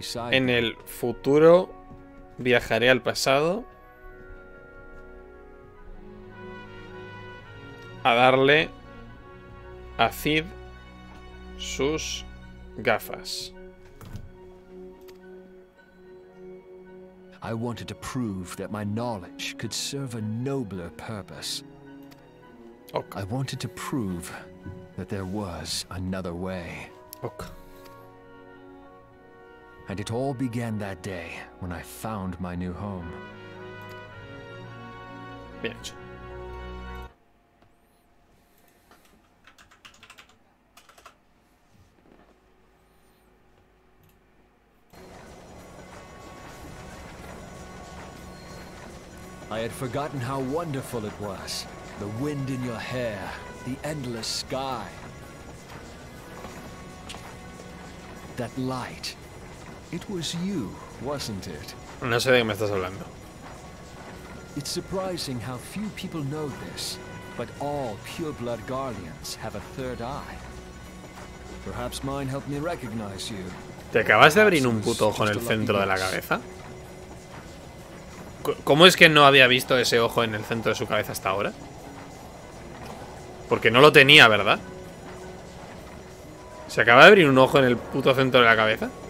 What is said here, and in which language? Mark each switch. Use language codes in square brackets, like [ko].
[es] En el futuro viajaré al pasado a darle a Cid sus gafas. [en] I wanted to prove that my knowledge could serve a nobler purpose. Ok. I wanted to prove that there was another way. Ok. And it all began that day when I found my new home. [es] Bien hecho. [en] I had forgotten how wonderful it was. The wind in your hair, the endless sky. That light. It was you, wasn't it? [es] No sé de qué me estás hablando. [en] It's surprising how few people know this, but all pureblood guardians have a third eye. Perhaps mine helped me recognize you. [es] ¿Te acabas de abrir un puto ojo en el centro de la cabeza? ¿Cómo es que no había visto ese ojo en el centro de su cabeza hasta ahora? Porque no lo tenía, ¿verdad? ¿Se acaba de abrir un ojo en el puto centro de la cabeza?